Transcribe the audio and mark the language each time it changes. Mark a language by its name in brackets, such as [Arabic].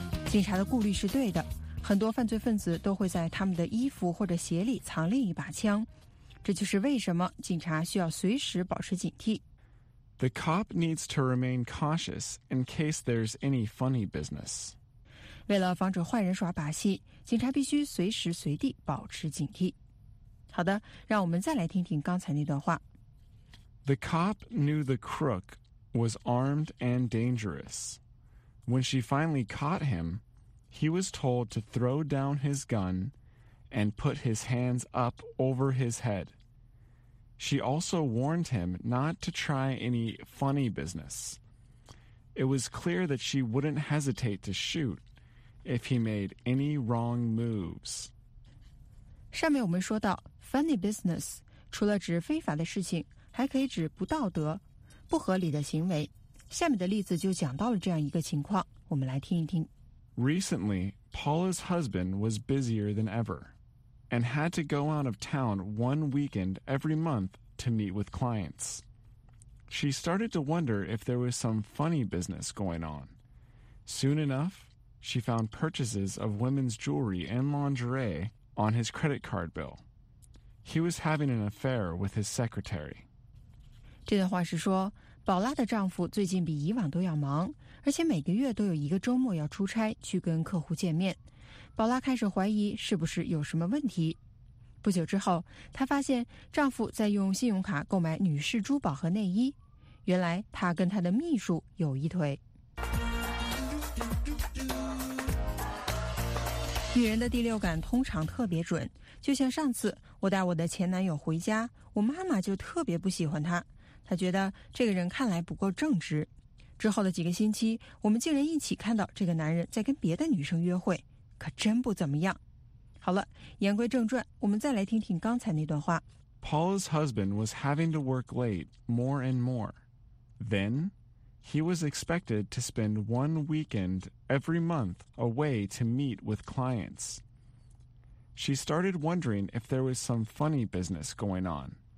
[Chinese] 警察的顾虑是对的，很多犯罪分子都会在他们的衣服或者鞋里藏另一把枪，这就是为什么警察需要随时保持警惕。 [English] The cop needs to remain cautious in case there's any funny business. [Chinese] 为了防止坏人耍把戏，警察必须随时随地保持警惕。好的，让我们再来听听刚才那段话。 [English] The cop knew the crook was armed and dangerous. When she finally caught him, he was told to throw down his gun and put his hands up over his head. She also warned him not to try any funny business. It was clear that she wouldn't hesitate to shoot if he made any wrong moves. [Chinese] 上面我们说到 funny business 除了指非法的事情，还可以指不道德、不合理的行为。下面的例子就讲到了这样一个情况，我们来听一听。 [English] Recently, Paula's husband was busier than ever and had to go out of town one weekend every month to meet with clients. She started to wonder if there was some funny business going on. Soon enough, she found purchases of women's jewelry and lingerie on his credit card bill. He was having an affair with his secretary. [Chinese] 这段话是说宝拉的丈夫最近比以往都要忙，而且每个月都有一个周末要出差去跟客户见面。宝拉开始怀疑是不是有什么问题。不久之后，她发现丈夫在用信用卡购买女士珠宝和内衣。原来她跟她的秘书有一腿。女人的第六感通常特别准，就像上次我带我的前男友回家，我妈妈就特别不喜欢他。他觉得这个人看来不够正直。之后的几个星期，我们竟然一起看到这个男人在跟别的女生约会，可真不怎么样。好了，言归正传，我们再来听听刚才那段话。 [English] Paula's husband was having to work late more and more. Then, he was expected to spend one weekend every month away to meet with clients. She started wondering if there was some funny business going on.